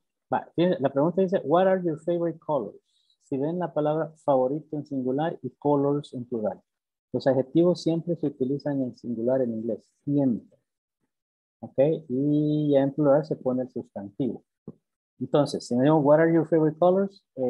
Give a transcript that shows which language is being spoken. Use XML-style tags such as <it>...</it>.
<es>La pregunta dice,</es> <en>what are your favorite colors?</en> <es>Si ven la palabra favorito en singular y colors en plural. Los adjetivos siempre se utilizan en singular en inglés. Siempre. Ok. Y ya en plural se pone el sustantivo. Entonces, si me digo,</es> <en>what are your favorite colors?</en>